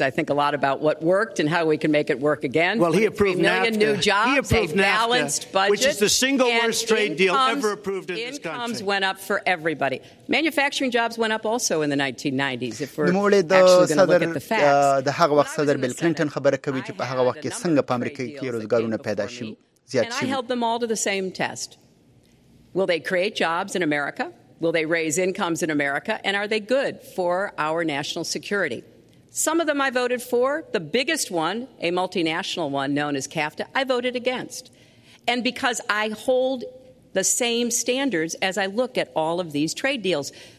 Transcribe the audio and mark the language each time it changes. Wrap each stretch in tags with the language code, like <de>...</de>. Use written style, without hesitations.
<en>I think a lot about what worked and how we can make it work again. Well, he approved NAFTA. Million new jobs, he approved NAFTA, balanced budget. Which is the single worst trade deal ever approved in this country. Incomes went up for everybody. Manufacturing jobs went up also in the 1990s, if we're actually going to look at the facts.</en> <ps>The هغه وخت صدر بل کلینټن خبره کوي چې په هغه وخت کې څنګه په امریکا کې روزګارونه پیدا شي زیات</ps> <en>شي. And I held them all to the same test. Will they create jobs in America? Will they raise incomes in America? And are they good for our national security? Some of them I voted for. The biggest one, a multinational one known as CAFTA, I voted against. And because I hold the same standards as I look at all of these trade deals.</en>